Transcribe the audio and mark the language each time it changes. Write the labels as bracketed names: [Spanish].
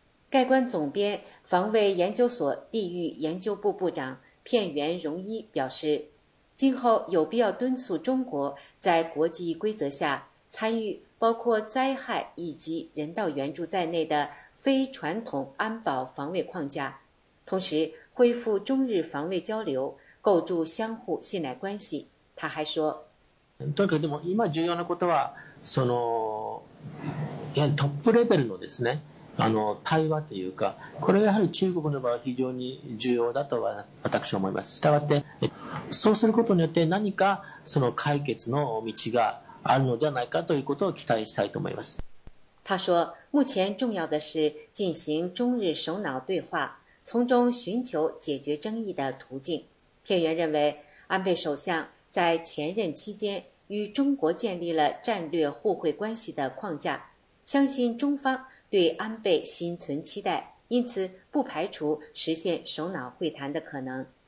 [Chinese] 概观总编、防卫研究所地域研究部部长片原荣一表示，今后有必要敦促中国在国际规则下参与包括灾害以及人道援助在内的非传统安保防卫框架，同时恢复中日防卫交流，构筑相互信赖关系。他还说， [Japanese] だけども今重要なことはそのトップレベルのですね対話というか、これはやはり中国の場合非常に重要だとは私は思います。したがってそうすることによって何かその解決の道があるのではないかということを期待したいと思います。 [Chinese] 他说，目前重要的是进行中日首脑对话，从中寻求解决争议的途径。片原认为，安倍首相在前任期间与中国建立了战略互惠关系的框架，相信中方对安倍心存期待，因此不排除实现首脑会谈的可能。